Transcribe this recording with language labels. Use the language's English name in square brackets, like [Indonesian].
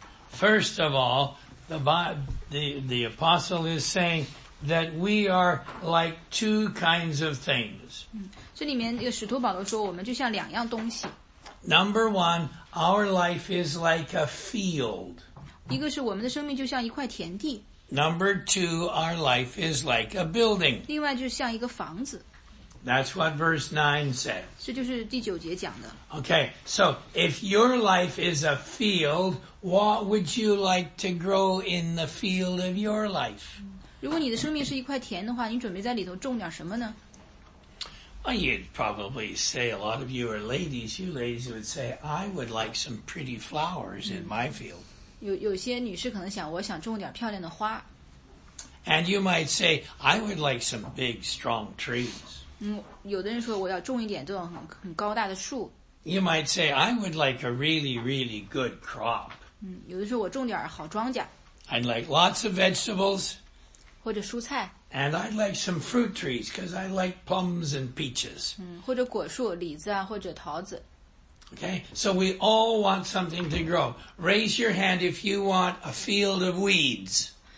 [English] First of all, the apostle is saying that we are like two kinds of things. [Chinese] 这里面使徒保罗说我们就像两样东西。 [English] Number one, our life is like a field. [Chinese] 一个是我们的生命就像一块田地。 [English] Number two, our life is like a building. [Chinese] 另外就像一个房子。 [English] That's what verse 9 says. [Chinese] 这就是第九节讲的。 [English] Okay, so if your life is a field, what would you like to grow in the field of your life? [Chinese] 如果你的生命是一块田的话，你准备在里头种点什么呢？ [English] Well, you'd probably say, a lot of you are ladies, you ladies would say, I would like some pretty flowers in my field. [Chinese] 有些女士可能想我想种点漂亮的花。 [English] And you might say, I would like some big, strong trees. [Chinese] 有的人说我要种一点这种很高大的树。 [English] You might say, I would like a really, really good crop. [Chinese] 有的人说我种点好庄稼。 [English] I'd like lots of vegetables. [Chinese] 或者蔬菜。 [English] And I'd like some fruit trees because I like plums and peaches. [Chinese] 或者果树,李子啊,或者桃子。 [English] Okay, so we all want something to grow. Raise your hand if you want a field of weeds.